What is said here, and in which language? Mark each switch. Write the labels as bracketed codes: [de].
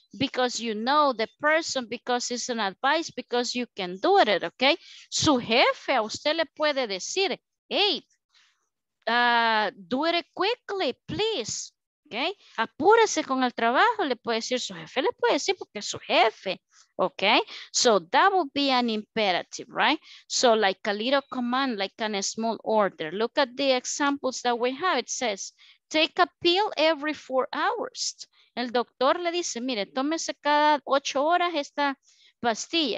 [en] Because you know the person, because it's an advice, because you can do it, okay? [es] Su jefe a usted le puede decir, [en] hey, do it quickly, please, okay? [es] Apúrese con el trabajo, le puede decir su jefe, le puede decir porque es su jefe. [en] Okay, so that would be an imperative, right? So like a little command, like a small order. Look at the examples that we have. It says, take a pill every 4 hours. [es] El doctor le dice, mire, tómese cada 8 horas esta pastilla.